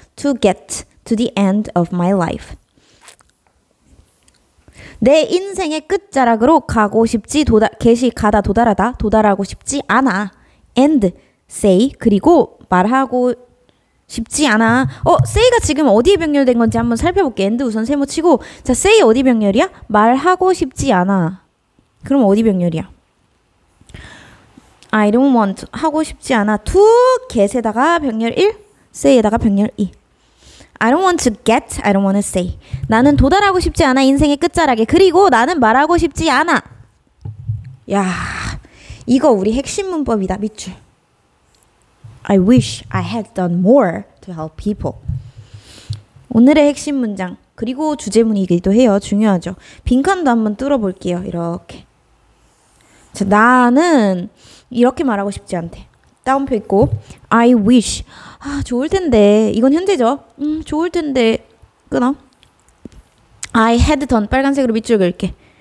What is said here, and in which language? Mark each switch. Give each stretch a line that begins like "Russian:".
English: To get to the end of my life.
Korean: 내 인생의 끝자락으로 가고 싶지 도달, 계시 가다 도달하다, 도달하고 싶지 않아.
English: And say,
Korean: 그리고 말하고 쉽지 않아. 어, say가 지금 어디에 병렬된 건지 한번 살펴볼게. and 우선 세모치고. 자, say 어디 병렬이야? 말하고 싶지 않아. 그럼 어디 병렬이야?
English: I don't want,
Korean: 하고 싶지 않아. to get에다가 병렬 1, say에다가 병렬 2.
English: I don't want to get, I don't want to say.
Korean: 나는 도달하고 싶지 않아, 인생의 끝자락에. 그리고 나는 말하고 싶지 않아. 야, 이거 우리 핵심 문법이다, 밑줄.
English: I wish I had done more to help people.
Korean: 오늘의 핵심 문장, 그리고 주제문이기도 해요. 중요하죠. 빈칸도 한번 뚫어볼게요. 이렇게. 자, 나는 이렇게 말하고 싶지 않대. 다운표 있고
English: I wish.
Korean: 아 좋을 텐데 이건 현재죠. 좋을 텐데 끊어.
English: I had done
Korean: 빨간색으로 밑줄 긁게.